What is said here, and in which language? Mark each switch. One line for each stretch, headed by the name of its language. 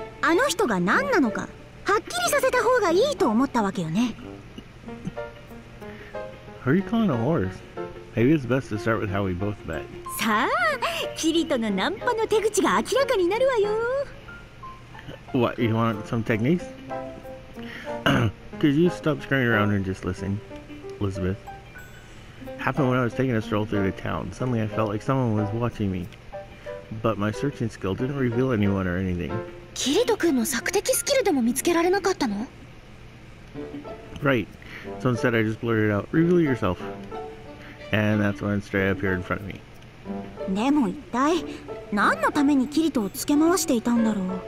Japanese: あの人が何なのかはっきりさせた方がいいと思ったわけよね。
English: Are you calling a horse? Maybe it's best to start with how we both met.
Japanese: さあ、キリトのナンパの手口が明らかになるわよ。
English: What, you want some techniques? Could you stop screwing around and just listen, Elizabeth? Happened when I was taking a stroll through the town. Suddenly I felt like someone was watching me. But my searching skill didn't reveal anyone or anything.
Japanese: キリト君の索敵スキルでも見つけられなかったの?
English: Right. So instead I just blurted out, reveal yourself. And that's when Stray appeared in front of me.
Japanese: でも一体、何のためにキリトをつけ回していたんだろう?